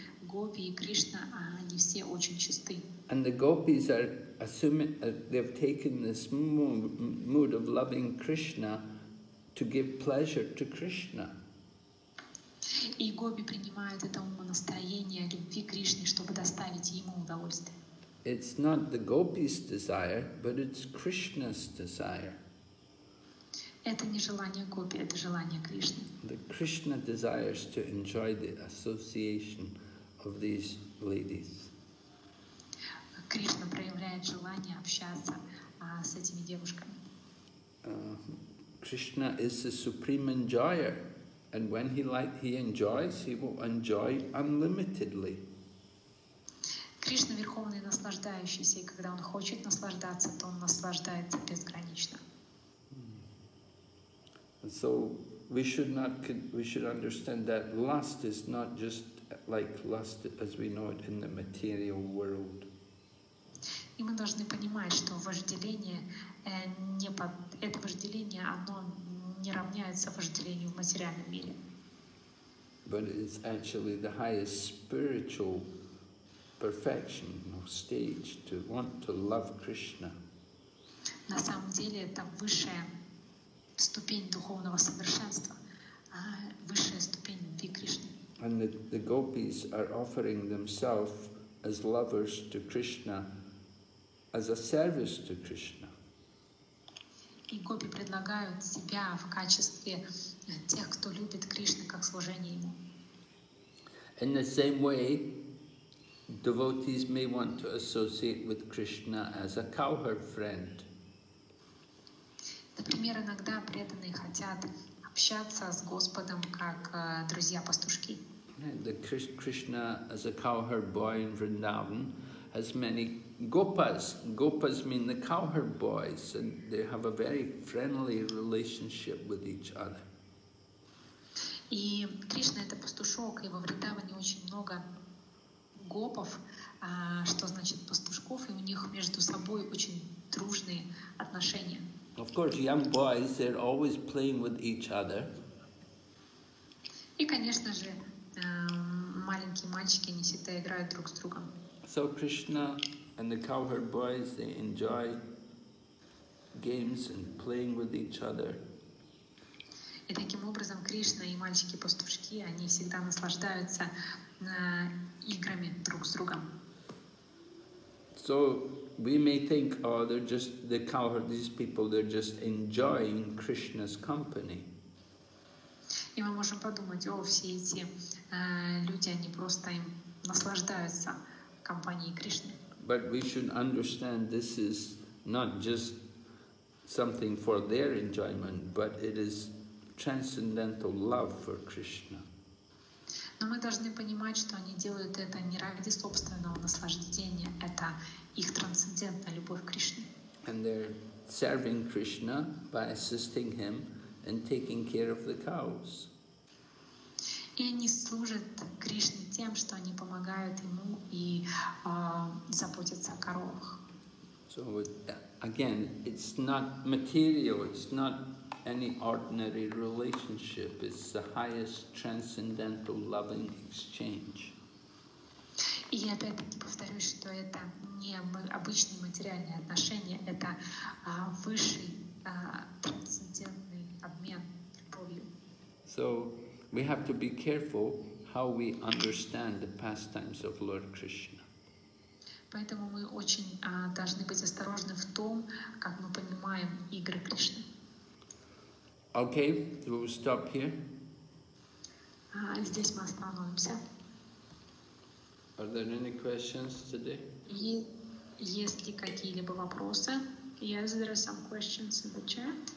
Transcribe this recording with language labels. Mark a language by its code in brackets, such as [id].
[ru] Гопи и Кришна, они все очень чисты. [en] And the gopis are assuming they've taken this mood of loving Krishna to give pleasure to Krishna. [ru] И гопи принимают это умонастроение любви Кришны, чтобы доставить ему удовольствие. [en] It's not the gopi's desire, but it's Krishna's desire. [ru] Это не желание гопи, это желание Кришны. [en] The Krishna desires to enjoy the association of these ladies. [ru] Кришна проявляет желание общаться с этими девушками. [en] Krishna is the supreme enjoyer, and when he enjoys, he will enjoy unlimitedly. [ru] Кришна — верховный наслаждающийся, и когда он хочет наслаждаться, то он наслаждается безгранично. [en] So we should understand that lust is not just like lust as we know it in the material world. [ru] И мы должны понимать, что вожделение не под это вожделение, оно не равняется вожделению в материальном мире. [en] But it's actually the highest spiritual perfection of stage to want to love Krishna. [ru] На самом деле это высшая ступень духовного совершенства, высшая ступень любви Кришны. [en] And the gopis are offering themselves as lovers to Krishna, as a service to Krishna. [ru] И гопи предлагают себя в качестве тех, кто любит Кришну, как служение ему. [en] In the same way, devotees may want to associate with Krishna as a cowherd friend. [ru] Например, иногда преданные хотят общаться с Господом как друзья-пастушки. [en] Krishna, as a cowherd boy in Vrindavan, has many gopas. Gopas mean the cowherd boys, and they have a very friendly relationship with each other. [ru] И Кришна — это пастушок, и во Вриндаване очень много гопов, что значит пастушков, и у них между собой очень дружные отношения. [en] Of course, young boys, they're always playing with each other. [ru] И, конечно же, маленькие мальчики не всегда играют друг с другом. [en] So Krishna and the cowherd boys, they enjoy games and playing with each other. [ru] И таким образом Кришна и мальчики-пастушки, они всегда наслаждаются играми друг с другом. [en] So we may think, oh, they're just the cowherd, these people, they're just enjoying Krishna's company. [ru] И мы можем подумать, о, все эти люди, они просто им наслаждаются компанией Кришны. [en] But we should understand this is not just something for their enjoyment, but it is transcendental love for Krishna. [ru] Но мы должны понимать, что они делают это не ради собственного наслаждения, это их трансцендентная любовь к Кришне. [en] And they're serving Krishna by assisting him and taking care of the cows. [ru] И они служат Кришне тем, что они помогают ему и заботятся о коровах. [en] So again, it's not material, it's not any ordinary relationship, is the highest transcendental loving exchange. [ru] И опять повторюсь, что это не обычные материальные отношения, это высший трансцендентный обмен любовью. [en] So we have to be careful how we understand the pastimes of Lord Krishna. [ru] Поэтому мы очень должны быть осторожны в том, как мы понимаем игры Кришны. [en] Okay, we'll stop here. [ru] Здесь мы остановимся. [en] Are there any questions today? [ru] Есть ли какие-либо вопросы? [en] Yes, there are some questions in the chat.